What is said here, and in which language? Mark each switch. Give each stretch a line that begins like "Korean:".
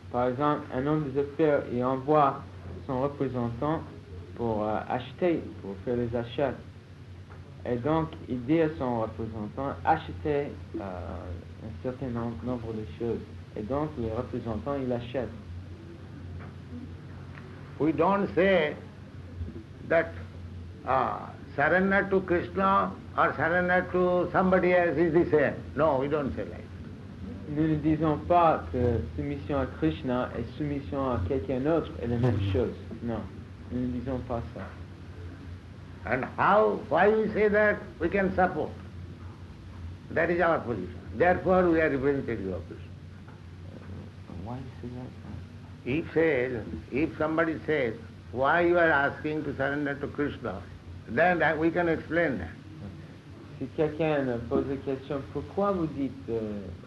French: Par exemple, un homme des affaires, il envoie son représentant pour acheter, pour faire les achats. Et donc, il dit à son représentant, achetez un certain nombre de choses. Et donc, le représentant, il achète.
English: We don't say that surrender to Krishna or surrender to somebody else is the same. No, we don't say that.
French: Nous ne disons pas que soumission à Krishna et soumission à quelqu'un d'autre est la même chose. Non, nous ne disons pas ça.
English: And how, why we say that? We can support. That is our position. Therefore, we are representative of Krishna. Why you say that? If somebody says, why you are asking to surrender to Krishna, then that we can explain that.
French: Si quelqu'un pose la question, pourquoi vous dites,